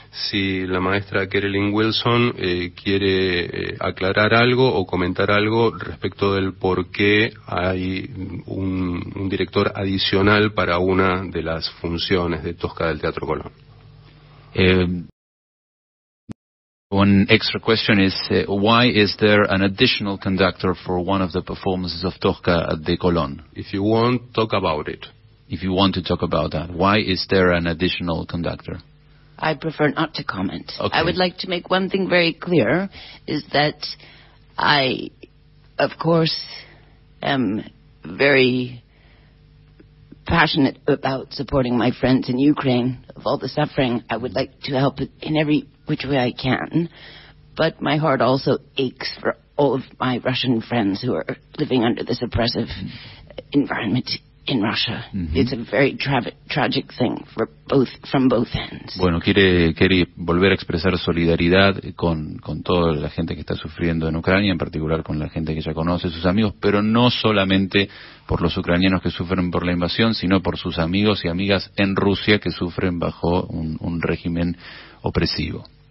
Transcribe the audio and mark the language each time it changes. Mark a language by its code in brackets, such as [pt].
[es] Si la maestra Keri-Lynn Wilson quiere aclarar algo o comentar algo respecto del por qué hay un director adicional para una de las funciones de Tosca del Teatro Colón. [en] One extra question is, why is there an additional conductor for one of the performances of Tosca at the Colón? If you want, talk about it. If you want to talk about that, why is there an additional conductor? I prefer not to comment. Okay. I would like to make one thing very clear, is that I, of course, am very passionate about supporting my friends in Ukraine. Of all the suffering, I would like to help in every which way I can. But my heart also aches for all of my Russian friends who are living under this oppressive environment in Russia. Mm-hmm. It's a very tragic thing from both ends. [es] Bueno, quiere volver a expresar solidaridad con toda la gente que está sufriendo en Ucrania, en particular con la gente que ya conoce, sus amigos, pero no solamente por los ucranianos que sufren por la invasión, sino por sus amigos y amigas en Rusia que sufren bajo un régimen opresivo.